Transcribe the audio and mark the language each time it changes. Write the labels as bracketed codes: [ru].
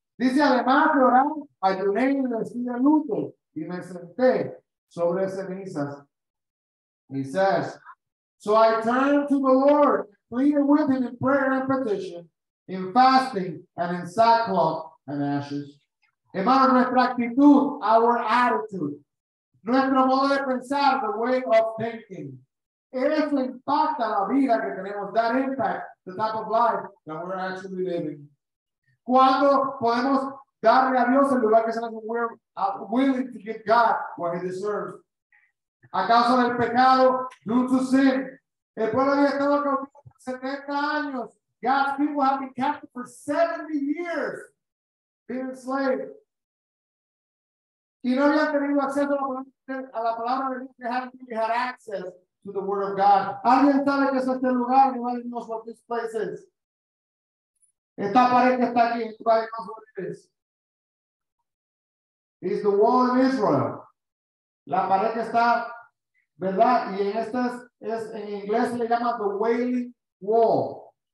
[es] Dice, además de orar, ayuné y vestí de luto y me senté sobre cenizas. [en] He says, so I turned to the Lord, pleading with him in prayer and petition, in fasting and in sackcloth and ashes. [es] Hermano, nuestra actitud, [en] our attitude, [es] nuestro modo de pensar, [en] the way of thinking, [es] eso impacta la vida que tenemos, [en] that impact, the type of life that we're actually living. [es] Cuando podemos darle a Dios el lugar que se nos [en] willing to give God what he deserves. [es] A causa del pecado, [en] due to sin, [es] el pueblo había estado cautivo por 70 años. [en] God's people have been captive for 70 years, being enslaved. [es] Y no habían tenido acceso a la palabra de Dios, [en] they had access to the word of God. [es] ¿Alguien sabe que es este lugar? [en] Nobody knows what this place is. [es] Esta pared que está aquí, ¿sabes más sobre qué es? [en] Is the wall in Israel. [es] La pared que está, ¿verdad? Y en esta es en inglés se le llama the Wailing Wall.